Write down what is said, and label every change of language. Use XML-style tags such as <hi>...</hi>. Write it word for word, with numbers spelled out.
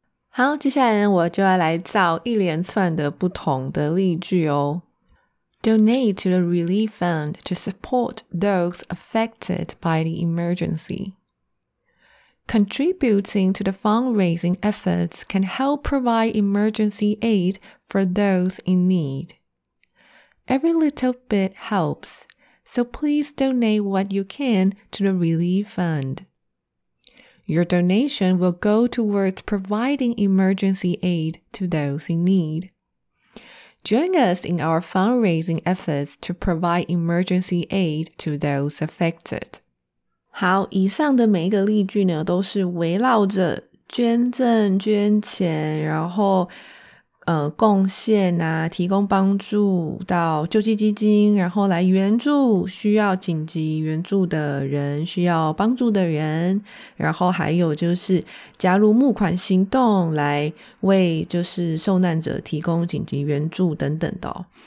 <zh>好，接下来呢我就要来造一连串的不同的例句哦。</zh> <en>Donate to the relief fund to support those affected by the emergency. Contributing to the fundraising efforts can help provide emergency aid for those in need. Every little bit helps, so please donate what you can to the Relief Fund. Your donation will go towards providing emergency aid to those in need. Join us in our fundraising efforts to provide emergency aid to those affected.</en> <zh>好，以上的每一个例句呢，都是围绕着捐赠、捐钱，然后呃，贡献啊，提供帮助到救济基金，然后来援助需要紧急援助的人，需要帮助的人，然后还有就是加入募款行动来为就是受难者提供紧急援助等等的哦。</zh>